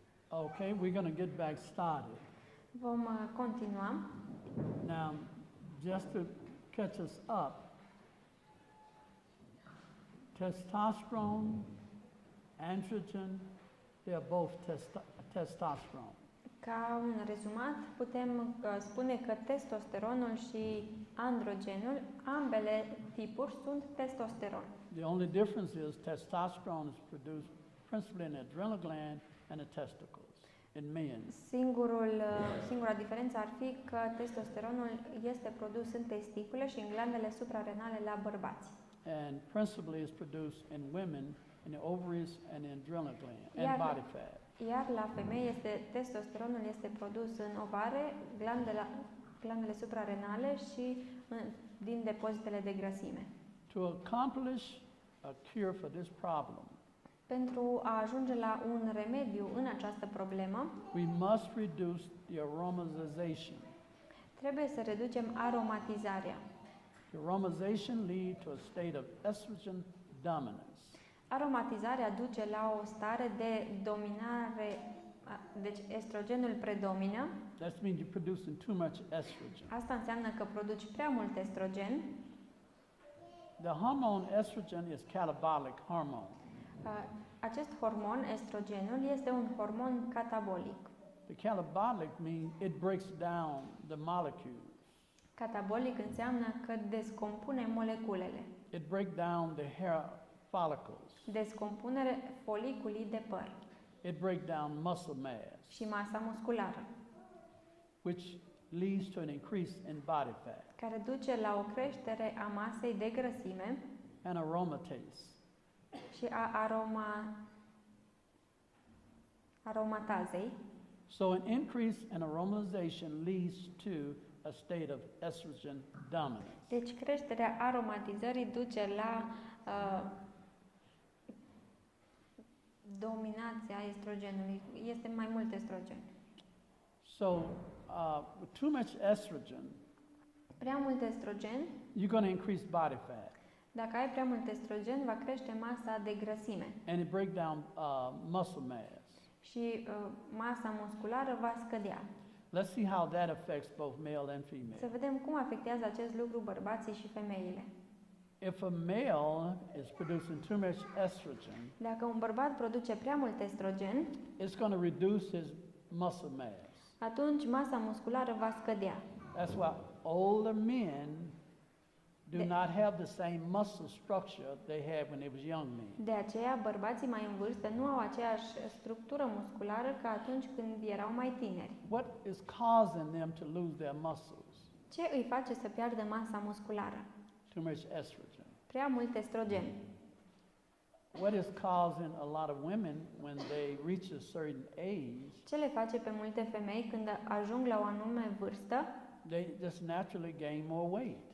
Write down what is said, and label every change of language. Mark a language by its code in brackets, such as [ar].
[en] Okay, we're going to get back started. [ro] Vom continua. [en] Now, just to catch us up, testosterone, androgen, they are both testosterone. [ro] Ca un rezumat, putem spune că testosteronul și androgenul, ambele tipuri sunt testosteron. [en] The only difference is testosterone is produced principally in the adrenal gland and the testicles in men. [ro] Singura diferență ar fi că testosteronul este produs în testicule și în glandele suprarenale la bărbați. [en] And principally is produced in women in the ovaries and the adrenal gland and body fat. [ro] Iar la femei este testosteronul este produs în ovare, glandele suprarenale și din depozitele de grăsime. [en] To accomplish a cure for this problem. [ro] Pentru a ajunge la un remediu în această problemă, [en] we must reduce the aromatization. [ro] Trebuie să reducem aromatizarea. [en] The aromatization lead to a state of estrogen dominance. [ro] Aromatizarea duce la o stare de dominare, deci estrogenul predomină. [en] That means you're producing too much estrogen. [ro] Asta înseamnă că produci prea mult estrogen. [en] The hormone estrogen is catabolic hormone. [ro] Acest hormon, estrogenul, este un hormon catabolic. [en] The catabolic means it breaks down the molecules. [ro] Catabolic înseamnă că descompune moleculele. [en] It breaks down the hair follicles. [ro] Descompunere foliculii de păr. [en] It breaks down muscle mass. [ro] Și masa musculară. [en] Which leads to an increase in body fat. [ro] Care duce la o creștere a masei de grăsime. [en] And aromatase. [ro] Și a aromatazei. [en] So an increase in aromatization leads to a state of estrogen dominance. [ro] Deci creșterea aromatizării duce la dominația estrogenului. Este mai mult estrogen. [en] So, too much estrogen. [ro] Prea mult estrogen. [en] You're going to increase body fat. [ro] Dacă ai prea mult estrogen, va crește masa de grăsime. [en] And it break down muscle mass. [ro] Și masa musculară va scădea. [en] Let's see how that affects both male and female. [ro] Să vedem cum afectează acest lucru bărbații și femeile. [en] If a male is producing too much estrogen, [ro] dacă un bărbat produce prea mult estrogen, [en] it's going to reduce his muscle mass. [ro] Atunci masa musculară va scădea. [en] That's why older men do not have the same muscle structure they had when they was young men. [ro] De aceea bărbații mai în vârstă nu au aceeași structură musculară ca atunci când erau mai tineri. [en] What is causing them to lose their muscles? [ro] Ce îi face să piardă masa musculară? [en] Too much estrogen. [ro] Prea mult estrogen. [en] What is causing a lot of women when they reach a certain age? [ro] Ce le face pe multe femei când ajung la o anume vârstă? [en] They just naturally gain more weight.